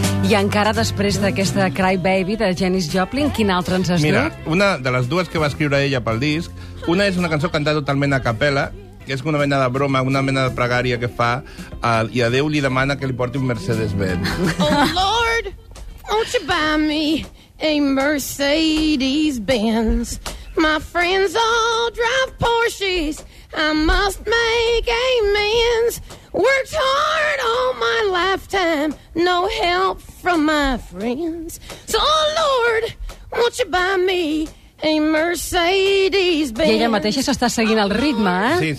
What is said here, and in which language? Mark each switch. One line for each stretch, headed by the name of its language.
Catalan: i encara després d'aquesta Cry Baby de Janis Joplin, quina altra ens has dit? Mira, una de les dues que va escriure ella pel disc, una és una cançó cantada totalment a capella, que és una mena de broma, una mena de pregària que fa, i a Déu li demana que li porti un Mercedes-Benz.
English: Oh, Lord, won't you buy me a Mercedes-Benz? My friends all drive Porsches, I must make amends. Worked hard all my lifetime, no help from my friends. So, oh Lord, won't you buy me a Mercedes-Benz?
Catalan: I ella mateixa s'està seguint el ritme, eh?